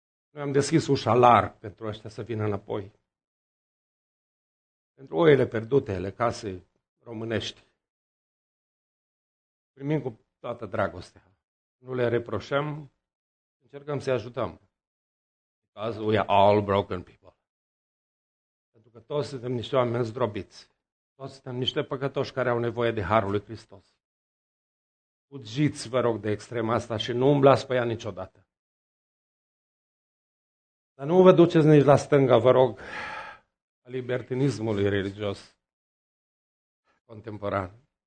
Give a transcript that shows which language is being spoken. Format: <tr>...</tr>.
<ro>Noi am deschis ușa larg pentru ăștia să vină înapoi. Pentru oile pierdute ale casei românești. Primim cu toată dragostea. Nu le reproșăm, încercăm să-i ajutăm.</ro> <en>Because we are all broken people.</en> <ro>Pentru că toți suntem niște oameni zdrobiți. Toți suntem niște păcătoși care au nevoie de Harul lui Hristos. Fugiți, vă rog, de extrema asta și nu umblați pe ea niciodată. Dar nu vă duceți nici la stânga, vă rog, a libertinismului religios contemporan.</ro>